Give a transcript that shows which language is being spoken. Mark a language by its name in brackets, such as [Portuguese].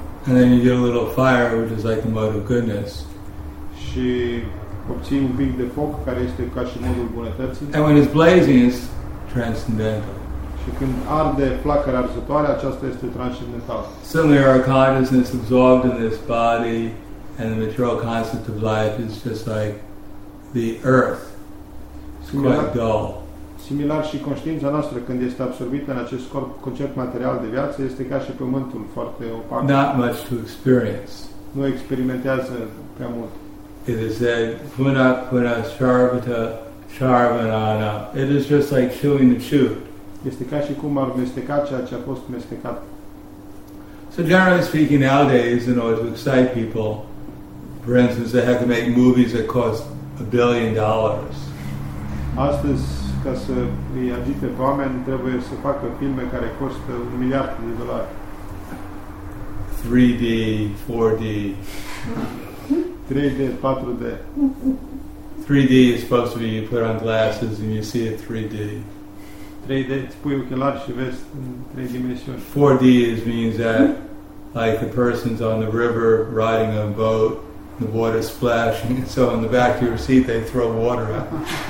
[English] And then you get a little fire, which is like the mode of goodness. [Romanian] Și obții un pic de foc, care este ca și modul bunătății. [English] And when it's blazing, it's transcendental. [Romanian] Și când arde flacăra arzătoare, aceasta este transcendentală. [English] Similarly, our consciousness absorbed in this body, and the material concept of life is just like the earth. Similar, quite dull. [Romanian] Similar și conștiința noastră când este absorbită în acest corp, concept material de viață, este ca și pământul, foarte opac. [English] Not much to experience. [Romanian] Nu experimentează prea mult. [English] It is said, [Sanskrit] puna puna sharvata sharvanana. [English] It is just like chewing the chew. [Romanian] Este ca și cum ar mesteca ceea ce a fost mestecat. [English] So generally speaking, nowadays, in order to excite people, for instance, they have to make movies that cost $1 billion. [Romanian] Astăzi, ca să îi agite pe oameni, trebuie să facă filme care costă $1 miliard. [English] 3D, 4D. [Romanian] 3D, 4D. [English] 3D is supposed to be you put on glasses and you see it 3D. [Romanian] 3D, îți pui ochelari și vezi în 3 dimensiuni. [English] 4D is means that like the person's on the river riding on a boat, the water splashing, so in the back of your seat they throw water out.